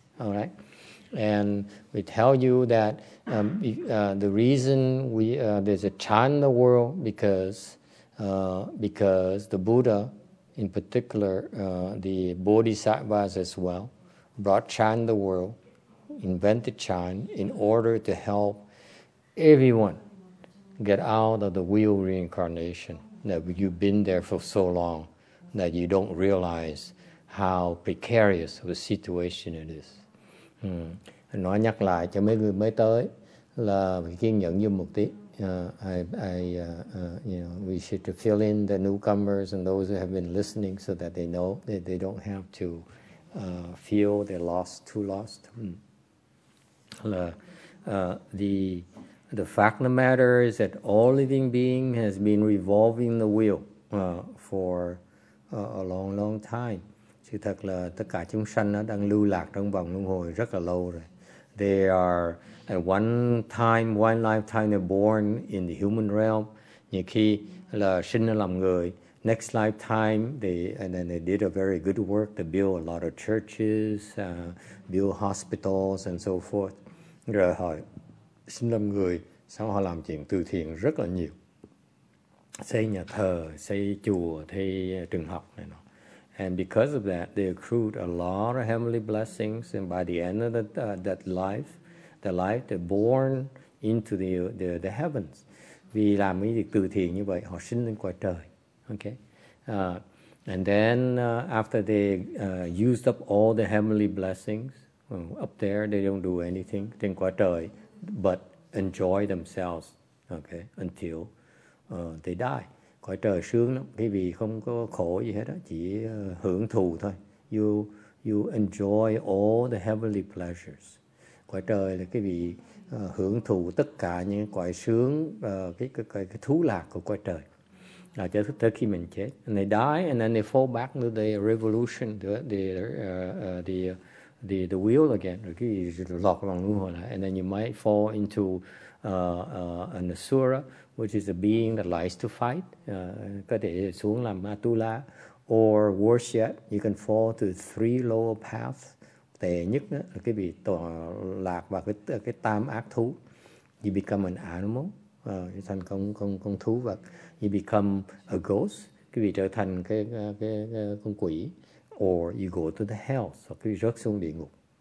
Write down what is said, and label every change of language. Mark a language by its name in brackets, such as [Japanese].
[English] All right, and we tell you that the reason there's a chan in the world because the Buddha, in particular the Bodhisattvas as well, brought chan in the world, invented chan in order to help everyone get out of the wheel reincarnation, that you've been there for so long that you don't realize how precarious of a situation it is. [Vietnamese] Nói nhắc lại cho mấy người mới tới là kiên nhẫn như một tí. [English] We should fill in the newcomers and those who have been listening so that they know that they don't have to feel they're lost, too lost. The fact of the matter is that all living being has been revolving the wheel for a long, long time. [Vietnamese] Sự thật là tất cả chúng sanh đang lưu lạc trong vòng luân hồi rất là lâu rồi. [English] They are at one time, one lifetime, they're born in the human realm. [Vietnamese] Nhiều khi là sinh ra làm người. [English] Next lifetime, and then they did a very good work. They built a lot of churches, built hospitals, and so forth. [Vietnamese] Rồi họ sinh làm người, sau họ làm chuyện từ thiện rất là nhiều. Xây nhà thờ, xây chùa, xây trường học này nọ. [English] And because of that, they accrued a lot of heavenly blessings. And by the end of the life, they're born into the heavens. [Vietnamese] Vì làm cái việc từ thiện như vậy, họ sinh lên cõi trời. [English] Okay. And then after they used up all the heavenly blessings, up there they don't do anything, [Vietnamese] trên cõi trời, [English] but enjoy themselves. Okay. Until they die. [Vietnamese] Cõi trời sướng lắm, cái vì không có khổ gì hết đó, chỉ hưởng thụ thôi. [English] You enjoy all the heavenly pleasures. [Vietnamese] Cõi trời là cái vị hưởng thụ tất cả những cõi sướng, cái thú lạc của cõi trời. Là cho tới khi mình chết. [English] And they die and then they fall back to the revolution, the wheel again. [Vietnamese] Rồi cái gì lọt vào luân hồi lại. [English] And then you might fall into an asura, which is a being that likes to fight. [Vietnamese] Có thể xuống làm Atula. [English] Or worse yet, you can fall to three lower paths. [Vietnamese] Tệ nhất đó, là cái bị tọa lạc vào cái tam ác thú. [English] You become an animal. [Vietnamese] Thành con thú vật. [English] You become a ghost, [Vietnamese] cái vị trở thành cái con quỷ, [English] or you go to the hell, so [Vietnamese] cái vị rớt xuống địa ngục.